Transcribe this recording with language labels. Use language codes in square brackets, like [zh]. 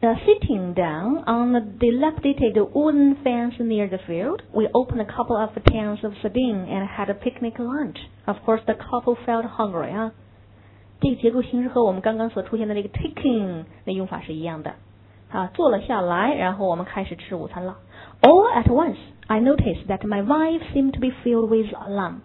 [en] Sitting down on the dilapidated wooden fence near the field, we opened a couple of tins of sardine and had a picnic lunch. Of course, the couple felt hungry, huh? [zh] 这个结构形式和我们刚刚所出现的那个 taking 的用法是一样的。啊，坐了下来，然后我们开始吃午餐了。 [en] All at once, I noticed that my wife seemed to be filled with alarm.